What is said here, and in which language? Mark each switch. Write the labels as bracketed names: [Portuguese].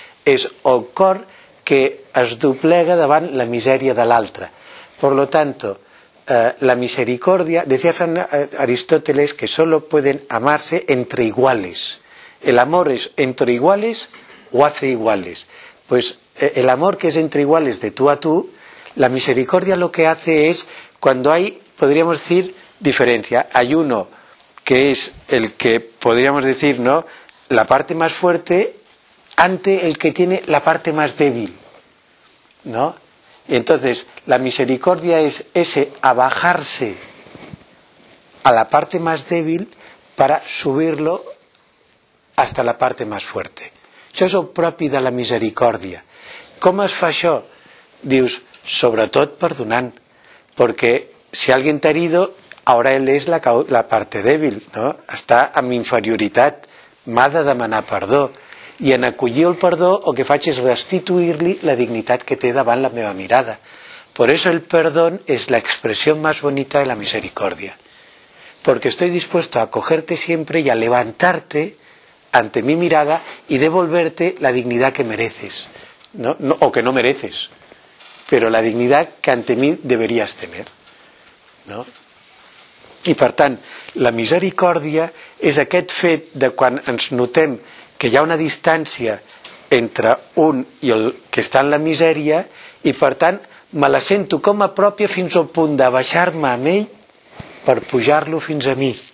[Catalan] És el cor que es doblega davant la misèria de l'altre. [Spanish] Por lo tanto, la misericordia, decía San Aristóteles, que solo pueden amarse entre iguales. El amor es entre iguales o hace iguales. Pues el amor que es entre iguales de tú a tú, la misericordia lo que hace es, cuando hay, podríamos decir, diferencia. Hay uno que es el que podríamos decir, ¿no?, la parte más fuerte ante el que tiene la parte más débil, ¿no? Y entonces, la misericordia es ese abajarse a la parte más débil para subirlo hasta la parte más fuerte. [Catalan] Això és el propi de la misericòrdia. Com es fa això? Dius, sobretot perdonant, perquè si algú t'ha [Spanish] herido, ahora él es la parte débil, ¿no? Está en inferioridad, [Catalan] m'ha de demanar perdó. Y en acollir el perdó, el que faig es restituir-li la dignitat que té davant la meva mirada. [Spanish] Por eso el perdón es la expresión más bonita de la misericordia. Porque estoy dispuesto a acogerte siempre y a levantarte ante mi mirada y devolverte la dignidad que mereces, ¿no? No, o que no mereces, pero la dignidad que ante mí deberías tener, ¿no? [Catalan] I per tant, la misericòrdia és aquest fet de quan ens notem que hi ha una distància entre un i el que està en la misèria i per tant me la sento com a pròpia fins al punt de baixar-me amb ell per pujar-lo fins a mi.